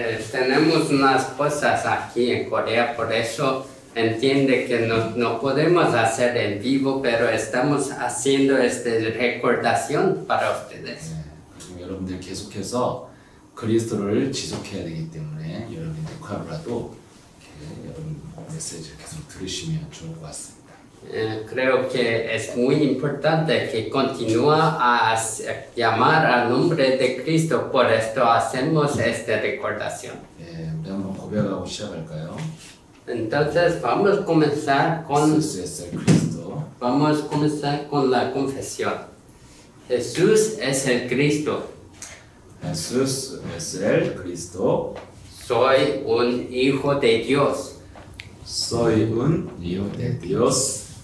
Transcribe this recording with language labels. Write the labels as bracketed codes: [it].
[es] Tenemos unas cosas aquí en Corea, por eso entiende que no podemos hacer en vivo, pero estamos haciendo esta recordación para ustedes. [ko] 여러분들 계속해서 그리스도를 지속해야 되기 때문에 여러분의 역할이라도 여러분 메시지를 계속 들으시면 좋을 것 같습니다. [es] Creo que es muy importante que continúa a llamar al nombre de Cristo, por esto hacemos esta recordación. [ko] 네, 우리 한번 고백하고 시작할까요? [es] Entonces Jesús es el Cristo. vamos a comenzar con la confesión. Jesús es el Cristo. Jesús es el Cristo. Soy un hijo de Dios. Soy un hijo de Dios.